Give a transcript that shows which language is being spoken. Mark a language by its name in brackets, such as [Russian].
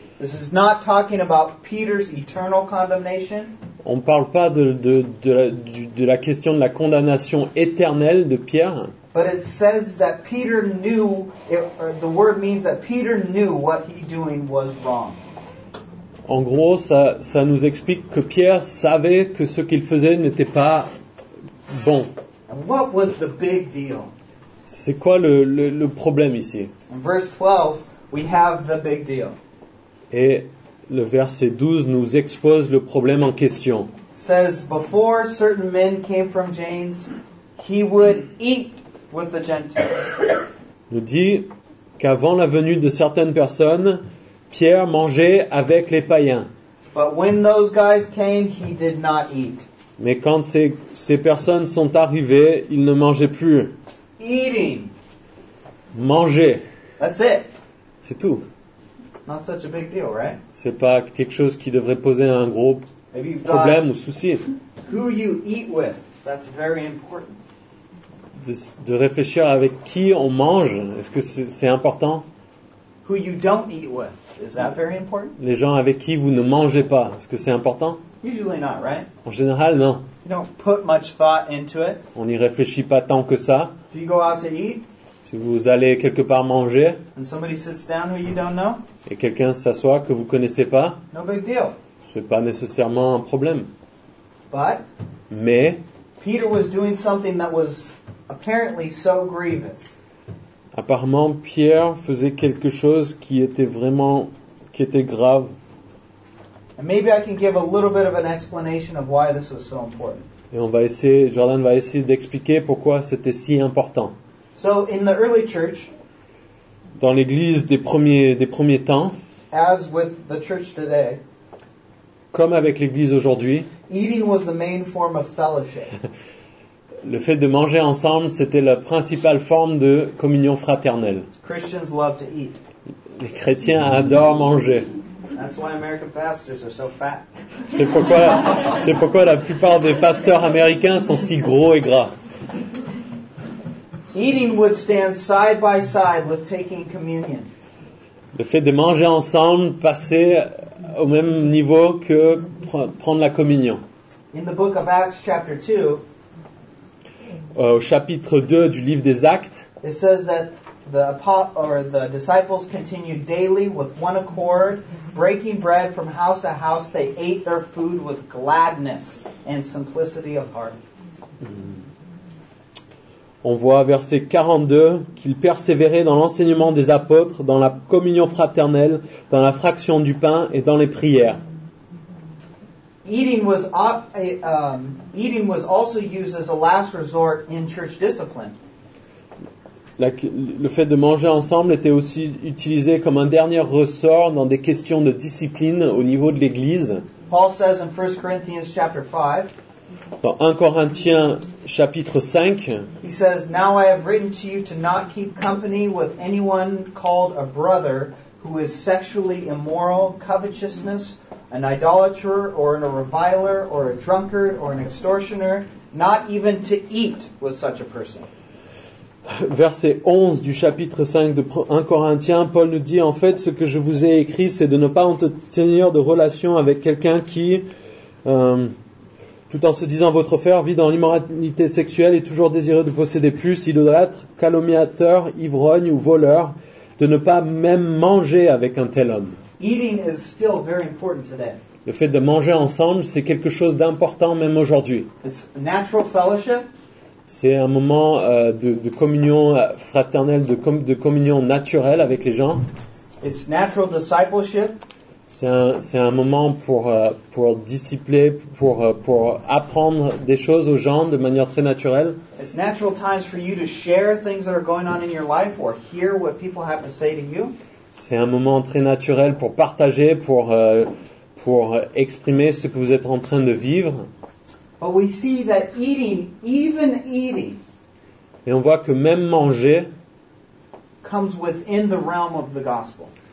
[English] This is not talking about Peter's eternal condemnation. [French] On ne parle pas de la question de la condamnation éternelle de Pierre. [English] But it says that Peter knew, the word means that Peter knew what he doing was wrong. [French] En gros, ça nous explique que Pierre savait que ce qu'il faisait n'était pas bon. [English] And what was the big deal? [French] C'est quoi le problème ici? [English] In verse 12, we have the big deal. [French] Et le verset 12 nous expose le problème en question. [English] It says, before certain men came from James, he would eat with the Gentiles. [French] Nous dit qu'avant la venue de certaines personnes, Pierre mangeait avec les païens. [English] But when those guys came, he did not eat. [French] Mais quand ces personnes sont arrivées, il ne mangeait plus. [English] Eating. [French] Manger. [English] That's it. [French] C'est tout. [English] Not such a big deal, right? [French] C'est pas quelque chose qui devrait poser un gros problème ou souci. [English] Who you eat with? That's very important. [French] De réfléchir avec qui on mange, est-ce que c'est important? [English] Who you don't eat with? Is that very important? [French] Les gens avec qui vous ne mangez pas, est-ce que c'est important? [English] Usually not, right? [French] En général, non. [English] You don't put much thought into it. [French] On n'y réfléchit pas tant que ça. [English] If you go out to eat, [French] si vous allez quelque part manger, [English] and somebody sits down who you don't know, [French] et quelqu'un s'assoit que vous ne connaissez pas, [English] no big deal. [French] C'est pas nécessairement un problème. [English] But, [French] mais, [English] Peter was doing something that was apparently so grievous. [French] Apparemment, Pierre faisait quelque chose qui était grave. [English] And maybe I can give a little bit of an explanation of why this was so important. [French] Et Jordan va essayer d'expliquer pourquoi c'était si important. [English] So in the early church, [French] dans l'église des premiers temps, [English] as with the church today, [French] comme avec l'église aujourd'hui, [English] eating was the main form of fellowship. [French] Le fait de manger ensemble, c'était la principale forme de communion fraternelle. [English] Christians love to eat. [French] Les chrétiens adorent manger. [English] That's why American pastors are so fat. [French] C'est pourquoi la plupart des pasteurs américains sont si gros et gras. [English] Eating would stand side by side with taking communion. [French] Le fait de manger ensemble passait au même niveau que prendre la communion. [English] In the book of Acts chapter 2, [French] au chapitre 2 du livre des Actes, [English] it says that the disciples continued daily with one accord, breaking bread from house to house. They ate their food with gladness and simplicity of heart. [French] On voit verset 42 qu'ils persévéraient dans l'enseignement des apôtres, dans la communion fraternelle, dans la fraction du pain et dans les prières. [English] Eating was also used as a last resort in church discipline. [French] le fait de manger ensemble était aussi utilisé comme un dernier ressort dans des questions de discipline au niveau de l'Église. [English] Paul says in 1 Corinthians chapter 5, [French] dans 1 Corinthiens chapitre 5, [English] he says, "Now I have written to you to not keep company with anyone called a brother who is sexually immoral, covetousness, an idolater, or a reviler, or a drunkard, or an extortioner, not even to eat with such a person." [French] Verset 11 du chapitre 5 de 1 Corinthiens, Paul nous dit, en fait, ce que je vous ai écrit, c'est de ne pas entretenir de relation avec quelqu'un qui, tout en se disant votre frère, vit dans l'immoralité sexuelle et toujours désireux de posséder plus, idolâtre, calomniateur, ivrogne ou voleur, de ne pas même manger avec un tel homme. [English] Eating is still very important today. [French] Le fait de manger ensemble, c'est quelque chose d'important même aujourd'hui. [English] It's a natural fellowship. [French] C'est un moment de communion fraternelle, de communion naturelle avec les gens. [English] It's natural discipleship. [French] C'est un moment pour discipler, pour apprendre des choses aux gens de manière très naturelle. [English] It's natural times for you to share things that are going on in your life or hear what people have to say to you. [French] C'est un moment très naturel pour partager, pour exprimer ce que vous êtes en train de vivre. [English] But we see that eating, even eating, [French] et on voit que même manger [English] comes within the realm of the gospel.